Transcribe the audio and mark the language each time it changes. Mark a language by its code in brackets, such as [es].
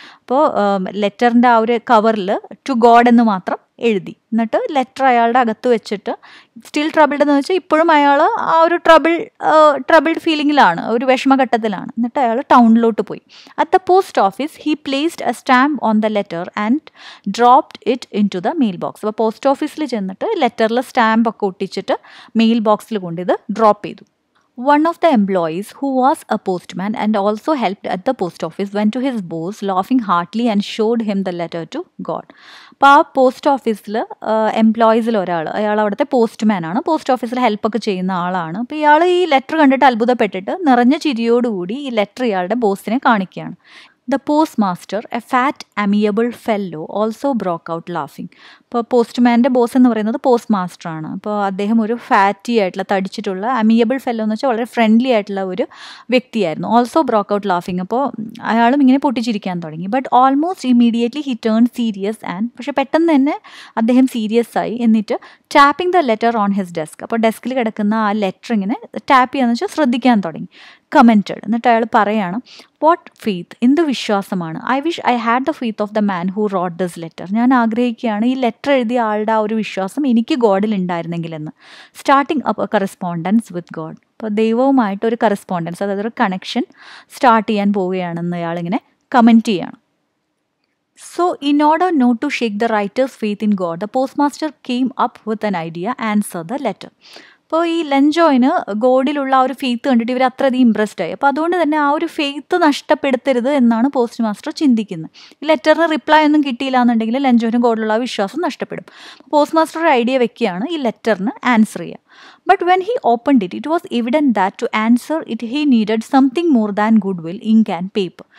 [ml] അപ്പോൾ ലെറ്ററിൻ്റെ ആ ഒരു കവറിൽ ടു ഗോഡ് എന്ന് മാത്രം എഴുതി, എന്നിട്ട് ലെറ്റർ അയാളുടെ അകത്ത് വെച്ചിട്ട് [en] still troubled [ml] എന്ന് വെച്ചാൽ ഇപ്പോഴും അയാൾ ആ ഒരു ട്രബിൾഡ് ഫീലിംഗിലാണ്, ഒരു വിഷമഘട്ടത്തിലാണ്. എന്നിട്ട് അയാൾ ടൗണിലോട്ട് പോയി. [en] At the post office he placed a stamp on the letter and dropped it into the mail box. [ml] അപ്പോൾ പോസ്റ്റ് ഓഫീസിൽ ചെന്നിട്ട് ലെറ്ററിൽ സ്റ്റാമ്പ് ഒക്കെ ഒട്ടിച്ചിട്ട് മെയിൽ ബോക്സിൽ കൊണ്ടിത് ഡ്രോപ്പ് ചെയ്തു. [en] One of the employees who was a postman and also helped at the post office went to his boss laughing heartily and showed him the letter to God. [ml] അപ്പോൾ ആ post ഓഫീസിൽ എംപ്ലോയീസിൽ ഒരാൾ, അയാൾ അവിടുത്തെ postman ആണ്, post ഓഫീസിൽ ഹെൽപ്പൊക്കെ ചെയ്യുന്ന ആളാണ്. അപ്പോൾ ഇയാൾ ഈ ലെറ്റർ കണ്ടിട്ട് അത്ഭുതപ്പെട്ടിട്ട് നിറഞ്ഞ ചിരിയോടുകൂടി ഈ ലെറ്റർ ഇയാളുടെ ബോസിനെ കാണിക്കുകയാണ്. [en] The postmaster, a fat, amiable fellow, also broke out laughing. [ml] അപ്പോൾ പോസ്റ്റ്മാൻ്റെ ബോസ് എന്ന് പറയുന്നത് പോസ്റ്റ് മാസ്റ്റർ ആണ്. അപ്പോൾ അദ്ദേഹം ഒരു ഫാറ്റി ആയിട്ടുള്ള, തടിച്ചിട്ടുള്ള, അമിയബിൾ ഫെല്ലോ എന്ന് വെച്ചാൽ വളരെ ഫ്രണ്ട്ലി ആയിട്ടുള്ള ഒരു വ്യക്തിയായിരുന്നു. [en] Also broke out ലാഫിങ്. [ml] അപ്പോൾ അയാളും ഇങ്ങനെ പൊട്ടിച്ചിരിക്കാൻ തുടങ്ങി. [en] but almost immediately he turn serious and, [ml] പക്ഷേ പെട്ടെന്ന് തന്നെ അദ്ദേഹം സീരിയസ് ആയി. എന്നിട്ട് [en] tapping the letter on his desk, [ml] അപ്പോൾ ഡെസ്കിൽ കിടക്കുന്ന ആ ലെറ്റർ ഇങ്ങനെ ടാപ്പ് ചെയ്യാന്ന് വെച്ചാൽ ശ്രദ്ധിക്കാൻ തുടങ്ങി. [en] commented, [ml] എന്നിട്ട് അയാൾ പറയുകയാണ്, [en] what faith, [ml] എന്ത് വിശ്വാസമാണ്, [en] I wish I had the faith of the man who wrote this letter. [ml] ഞാൻ ആഗ്രഹിക്കുകയാണ് ഈ ലെറ്റർ എഴുതിയ ആളുടെ ആ ഒരു വിശ്വാസം എനിക്ക് ഗോഡിൽ ഉണ്ടായിരുന്നെങ്കിൽ എന്ന്. [en] starting up a correspondence with God, [ml] അപ്പോൾ ദൈവവുമായിട്ട് ഒരു കറസ്പോണ്ടൻസ്, അതായത് ഒരു കണക്ഷൻ സ്റ്റാർട്ട് ചെയ്യാൻ പോവുകയാണെന്ന് അയാളിങ്ങനെ കമൻറ്റ് ചെയ്യുകയാണ്. [en] So, in order not to shake the writer's faith in God, the postmaster came up with an idea, answer the letter. [ml] അപ്പോൾ ഈ ലഞ്ചോയിന് ഗോഡിലുള്ള ആ ഒരു ഫെയ്ത്ത് കണ്ടിട്ട് ഇവർ അത്രയധികം ഇമ്പ്രസ്ഡ് ആയി. അപ്പോൾ അതുകൊണ്ട് തന്നെ ആ ഒരു ഫെയ്ത്ത് നഷ്ടപ്പെടുത്തരുത് എന്നാണ് പോസ്റ്റ് മാസ്റ്റർ ചിന്തിക്കുന്നത്. ഈ ലെറ്ററിന് റിപ്ലൈ ഒന്നും കിട്ടിയില്ല എന്നുണ്ടെങ്കിൽ ലഞ്ചോയിന് ഗോഡിലുള്ള ആ വിശ്വാസം നഷ്ടപ്പെടും. പോസ്റ്റ് മാസ്റ്റർ ഒരു ഐഡിയ വെക്കുകയാണ് ഈ ലെറ്ററിന് ആൻസർ ചെയ്യുക. [en] But when he opened it it was evident that to answer it he needed something more than good will, ink and paper.